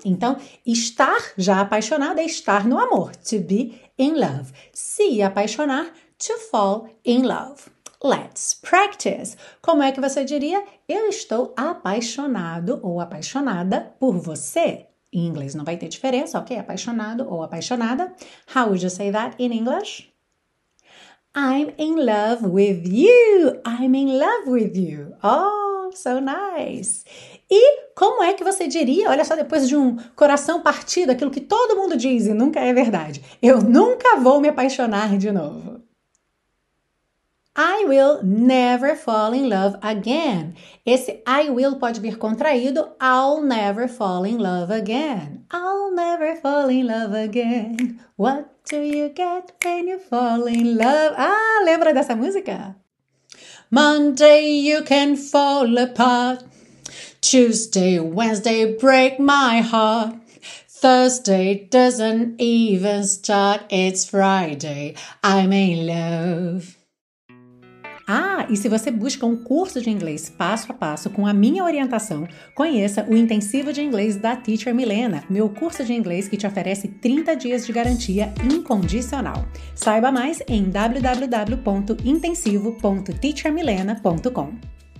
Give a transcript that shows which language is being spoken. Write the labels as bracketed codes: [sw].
[pt] Então, estar já apaixonado é estar no amor, [en] to be in love. [pt] Se apaixonar, [en] to fall in love. Let's practice. [pt] Como é que você diria? Eu estou apaixonado ou apaixonada por você. Em inglês não vai ter diferença, ok? Apaixonado ou apaixonada. [en] How would you say that in English? I'm in love with you. I'm in love with you. Oh, so nice. [pt] E como é que você diria, olha só, depois de um coração partido, aquilo que todo mundo diz e nunca é verdade. Eu nunca vou me apaixonar de novo. [en] I will never fall in love again. [pt] Esse [en] I will [pt] pode vir contraído. [en] I'll never fall in love again. I'll never fall in love again. What do you get when you fall in love? [pt] Ah, lembra dessa música? [en] Monday you can fall apart. Tuesday, Wednesday break my heart. Thursday doesn't even start. It's Friday. I'm in love. [pt] Ah, e se você busca um curso de inglês passo a passo com a minha orientação, conheça o Intensivo de Inglês da Teacher Milena, meu curso de inglês que te oferece 30 dias de garantia incondicional. Saiba mais em www.intensivo.teachermilena.com.